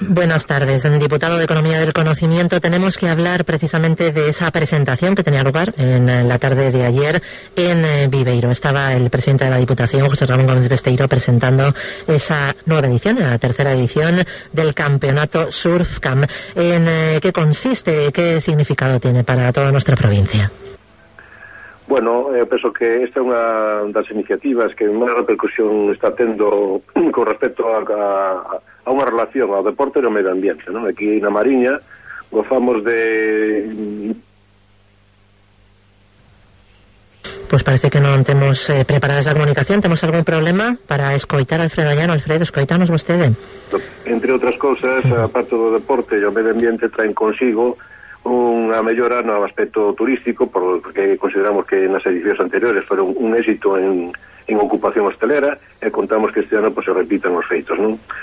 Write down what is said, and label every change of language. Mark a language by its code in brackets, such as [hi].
[es] Buenas tardes, diputado de Economía del Conocimiento. Tenemos que hablar precisamente de esa presentación que tenía lugar en la tarde de ayer en Viveiro. Estaba el presidente de la Diputación, José Ramón Gómez Besteiro, presentando esa nueva edición, la tercera edición del campeonato SurfCam. ¿En qué consiste, qué significado tiene para toda nuestra provincia? [gl] Bueno, eu penso que esta é unha das iniciativas que máis repercusión está tendo con respecto a unha relación ao deporte e ao medio ambiente, non? Aquí na Mariña gozamos de... Pues parece que non temos preparadas a comunicación. ¿Temos algún problema para escoitar a Alfredo Llano? Alfredo, escoitanos vostede. Entre outras cosas, aparte do deporte e o medio ambiente, traen consigo unha mellora no aspecto turístico, porque consideramos que nas edicións anteriores foron un éxito en ocupación hostelera e contamos que este ano pues, se repitan os feitos, non?